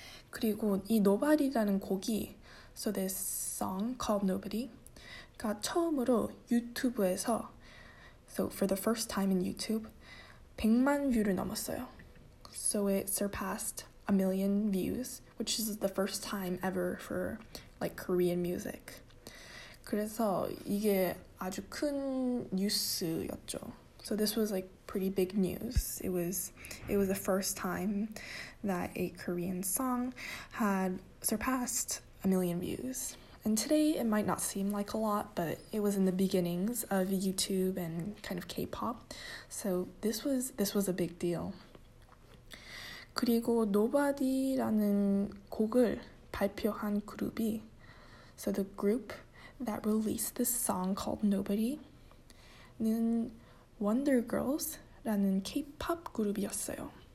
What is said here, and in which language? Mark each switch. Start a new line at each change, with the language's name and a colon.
Korean: 그리고 이 Nobody라는 곡이,
English: so this song called Nobody,
Korean: 가 처음으로 유튜브에서,
English: so for the first time in YouTube,
Korean: 100만 뷰를 넘었어요.
English: So it surpassed 1 million views, which is the first time ever for like Korean music.
Korean: 그래서 이게 아주 큰 뉴스였죠.
English: So this was like pretty big news. It was the first time that a Korean song had surpassed 1 million views. And today it might not seem like a lot, but it was in the beginnings of YouTube and kind of K-pop. So this was a big deal.
Korean: 그리고 Nobody라는 곡을 발표한 그룹이,
English: so the group that released this song called Nobody,
Korean: 는 Wonder Girls라는 K-pop 그룹이었어요.